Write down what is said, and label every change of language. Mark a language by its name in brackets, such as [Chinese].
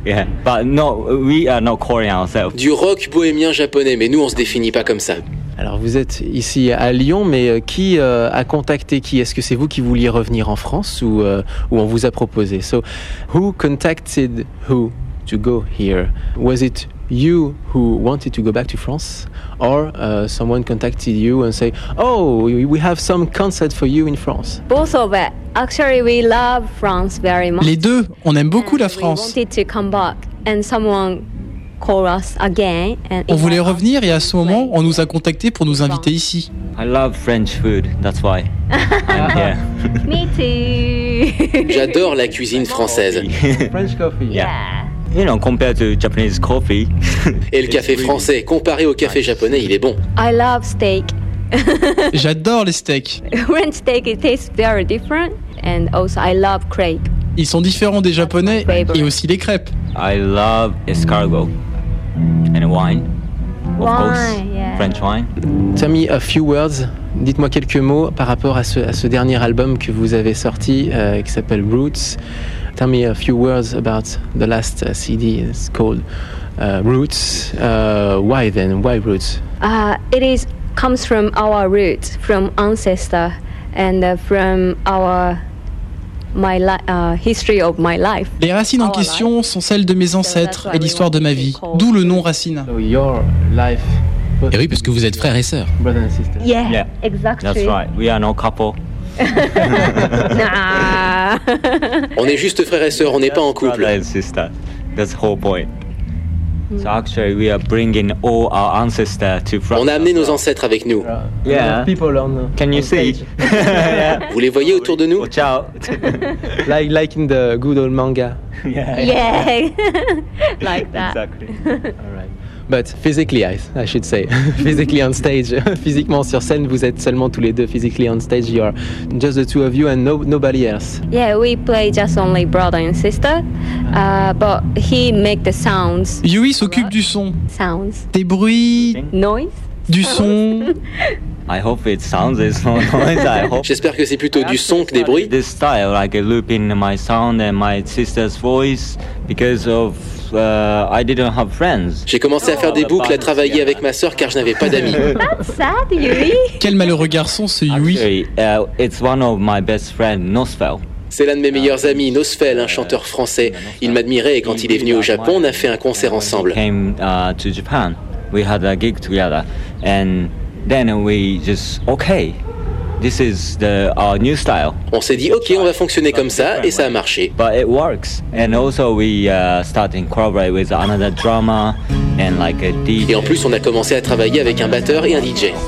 [English] Yeah, but no, we are not calling ourselves. [French] Du rock bohémien japonais, mais nous on se définit pas comme ça. Alors vous êtes ici à Lyon, mais qui a contacté qui? Est-ce que c'est vous qui vouliez revenir en France ou on vous a proposé? [English] So, who contacted who to go here? Was it you who wanted to go back to France? Or someone contacted you and say, oh, we have some concert for you in France. Both of it. Actually, we love France very much. [French] Les deux, on aime beaucoup la France. [English] We wanted to come back and someone called us again. And [French] on voulait revenir et à ce moment, on nous a contacté pour nous inviter ici. [English] I love French food, that's why I'm here. Me too. [French] J'adore la cuisine française. [English] French coffee. Yeah. You know, compared to Japanese coffee. [French] Et le café really français, comparé au café japonais, il est bon. [English] I love steak. [French] J'adore les steaks. [English] French steak, it tastes very different. And also, I love crepe. [French] Ils sont différents des japonais et aussi les crêpes. [English] I love escargot and wine. Wine, of course. Yeah. French wine. Tell me a few words. [French] Dites-moi quelques mots par rapport à ce dernier album que vous avez sorti, qui s'appelle Roots. [English] Tell me a few words about the last CD. It's called Roots. Why then? Why Roots? It comes from our roots, from ancestor, and from my history of my life. [French] Les racines en question sont celles de mes ancêtres et l'histoire de ma vie, d'où le nom Racine. [English] So your life. [French] Et oui, parce que vous êtes frère et sœur. [English] Brother and sister. Yeah, yeah, exactly. That's right. We are no couple. Nah. [French] On est juste frère et sœur, on n'est pas en couple. [English] Brother and sister. That's the whole point. So actually, we are bringing all our ancestors to France. [French] On a amené nos ancêtres avec nous. [English] Yeah. People on. Can you see? Yeah. [French] Vous les voyez autour de nous? [English] Watch out. like in the good old manga. Yeah. Like that. Exactly. All right. But physically, I should say, physically on stage, [French] physiquement sur scène, vous êtes seulement tous les deux. [English] Physically on stage, you are just the two of you and nobody else. Yeah, we play just only brother and sister, but he make the sounds. [French] Yui s'occupe du son. [English] Sounds. [French] Des bruits. [English] Noise. [French] Du son. [English] I hope it sounds as noise. I hope. [French] J'espère que c'est plutôt du son que des bruits. [English] This style, like a loop in my sound and my sister's voice, because of. I didn't have friends. [French] J'ai commencé à faire des boucles, à travailler avec ma sœur car je n'avais pas d'amis. [English] That's sad, Yui. [French] Quel malheureux garçon ce Yui. [English] It's one of my best friends, Nosfell. [French] C'est l'un de mes meilleurs amis, Nosfell, un chanteur français. Il m'admirait et quand il est venu au Japon, on a fait un concert ensemble. [English] Came to Japan. We had a gig together and then we just okay. This is our new style. [French] On s'est dit, ok, on va fonctionner comme ça, et ça a marché. [English] But it works. And also we started collaborating with another drummer and like a DJ. [French] Et en plus, on a commencé à travailler avec un batteur et un DJ.